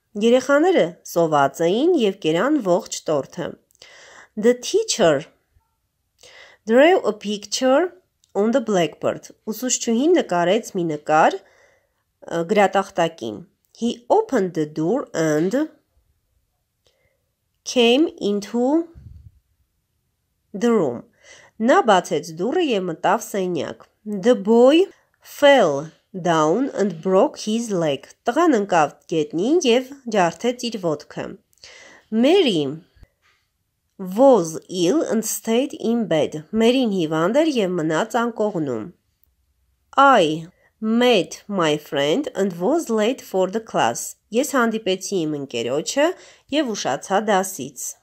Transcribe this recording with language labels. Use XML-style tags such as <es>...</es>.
<hy>Երեխաները սոված էին և կերան ողջ տորթը։</hy> <en>The teacher drew a picture on the blackboard.</en> <hy>Ուսուցչուհին նկարեց մի նկար գրատախտակին։</hy> <en>He opened the door and came into the room.</en> <hy>Նա բացեց դուրը եւ մտավ սենյակ.</hy> <en>The boy fell down and broke his leg.</en> <hy>Տղան ընկավ գետնին եւ ջարդեց իր ոտքը.</hy> <en>Mary was ill and stayed in bed.</en> <hy>Մերին հիվանդ էր եւ մնաց անկողնում.</hy> <en>I met my friend and was late for the class.</en> <hy>Ես հանդիպեցի իմ ընկերոջը եւ ուշացա դասից.</hy>